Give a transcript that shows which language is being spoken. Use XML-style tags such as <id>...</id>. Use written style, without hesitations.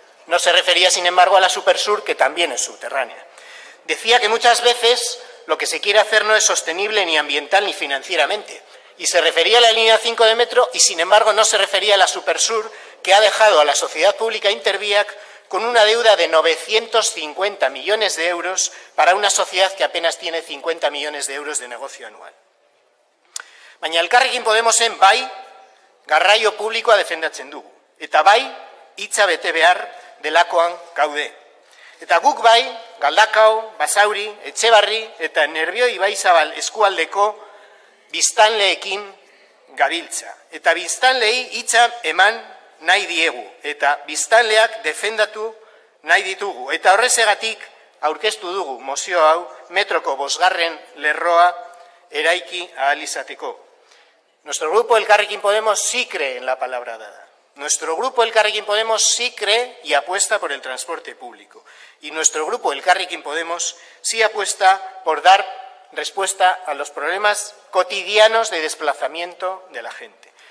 <es>No se refería, sin embargo, a la Supersur, que también es subterránea. Decía que muchas veces lo que se quiere hacer no es sostenible ni ambiental ni financieramente, y se refería a la línea 5 de metro, y sin embargo no se refería a la Supersur, que ha dejado a la sociedad pública Interbiak con una deuda de 950 millones de euros para una sociedad que apenas tiene 50 millones de euros de negocio anual.</es> <eu>Baina Elkarrekin Podemosen bai garraio publikoa defendatzen dugu, eta bai hitza bete behar delakoan gaude. Eta guk bai Galdakao, Basauri, Etxebarri eta Nervio Ibaizabal eskualdeko biztanleekin gabiltza. Eta biztanlei hitza eman nahi diegu, eta biztanleak defendatu nahi ditugu. Eta horrezegatik aurkeztu dugu mozio hau metroko bosgarren lerroa eraiki ahal izateko.</eu> <es>Nuestro grupo Elkarrekin Podemos sí cree en la palabra dada. Nuestro grupo Elkarrekin Podemos sí cree y apuesta por el transporte público. Y nuestro grupo Elkarrekin Podemos sí apuesta por dar respuesta a los problemas cotidianos de desplazamiento de la gente.</es>